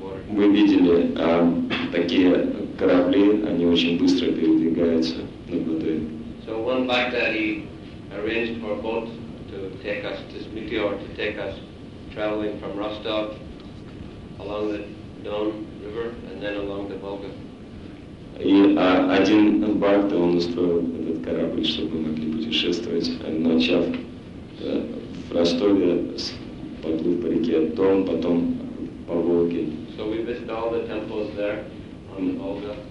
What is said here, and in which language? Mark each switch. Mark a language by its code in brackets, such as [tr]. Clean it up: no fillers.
[ru] Вы видели такие корабли, они очень быстро передвигаются над водой. [en] So one back that he arranged for boat to take us, this meteor to take us traveling from Rostov along the Don River and then along the Volga. [ru] И один бак, то он устроил этот корабль, чтобы мы могли путешествовать, начав в Ростове, поплыв по реке Дон, потом по Волге. [en] So we visited all the temples there on the Volga.